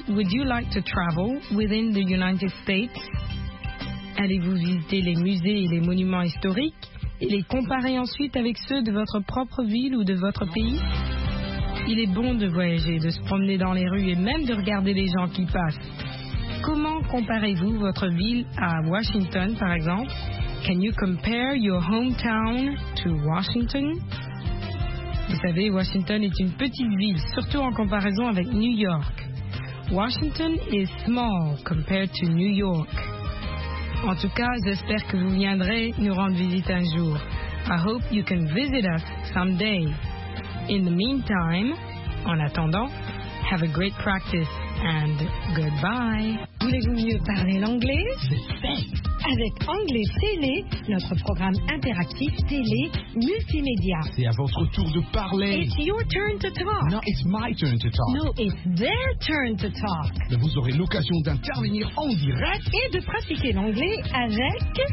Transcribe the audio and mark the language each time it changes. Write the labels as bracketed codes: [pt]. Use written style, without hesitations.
[en] Would you like to travel within the United States? [fr] Allez-vous visiter les musées et les monuments historiques et les comparer ensuite avec ceux de votre propre ville ou de votre pays? Il est bon de voyager, de se promener dans les rues et même de regarder les gens qui passent. Comment comparez-vous votre ville à Washington, par exemple? [en] Can you compare your hometown to Washington? [fr] Vous savez, Washington est une petite ville, surtout en comparaison avec New York. [en] Washington is small compared to New York. [fr] En tout cas, j'espère que vous viendrez nous rendre visite un jour. [en] I hope you can visit us someday. In the meantime, [fr] en attendant, [en] have a great practice and goodbye. [fr] Voulez-vous mieux parler l'anglais? Avec Anglais Télé, notre programme interactif télé multimédia. C'est à votre tour de parler. [en] It's your turn to talk. No, it's my turn to talk. No, it's their turn to talk. [fr] Mais vous aurez l'occasion d'intervenir en direct et de pratiquer l'anglais avec